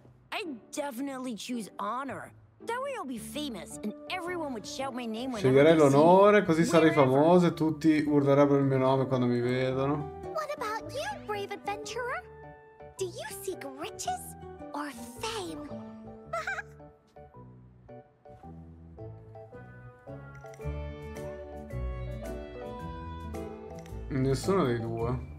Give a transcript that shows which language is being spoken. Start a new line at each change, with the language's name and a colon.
English: I definitely choose honor. That way I'll be famous and everyone would shout my name.
Italian: Sceglierei l'onore, così sarei famoso e tutti urlerebbero il mio nome quando mi vedono.
English: What about you, brave adventurer? Do you seek riches or fame?
Italian: Nessuno dei due.